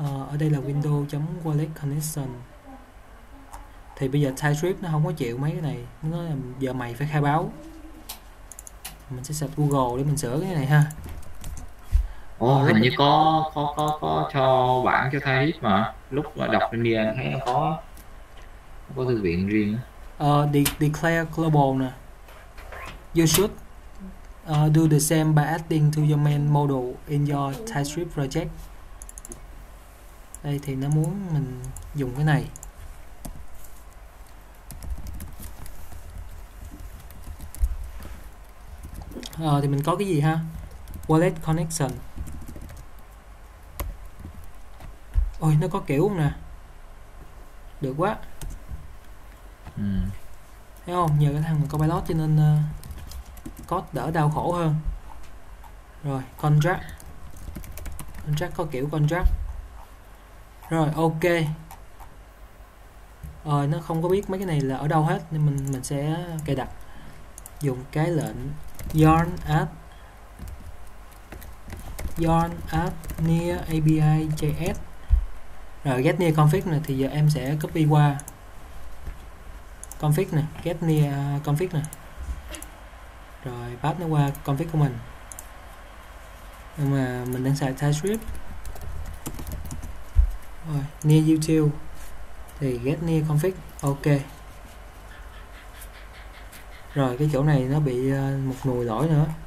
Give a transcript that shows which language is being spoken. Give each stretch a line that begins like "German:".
Vietnamese: Ở đây là window.wallet connection. Thì bây giờ TypeScript nó không có chịu mấy cái này, nó nói là giờ mày phải khai báo. Mình sẽ search Google để mình sửa cái này ha. Ồ, hình như có cho bản cho thay hết mà. Lúc mà đọc trên đi anh thấy có thư viện riêng á. Declare global nè.
English: You should do the same by adding to your main module in your TypeScript project.
Vietnamese: Đây thì nó muốn mình dùng cái này. Thì mình có cái gì ha? Wallet connection. Ôi nó có kiểu không nè. Được quá. Thấy không? Nhờ cái thằng mình copilot cho nên code đỡ đau khổ hơn. Rồi, contract. Contract có kiểu contract. Rồi, ok. Rồi nó không có biết mấy cái này là ở đâu hết nên mình sẽ cài đặt. Dùng cái lệnh yarn add near api.js. Rồi get near config này thì giờ em sẽ copy qua config này, get near config này. Rồi pass nó qua config của mình. Nhưng mà mình đang xài TypeScript. Rồi near util thì get near config. Ok. Rồi cái chỗ này nó bị một nùi lỗi nữa.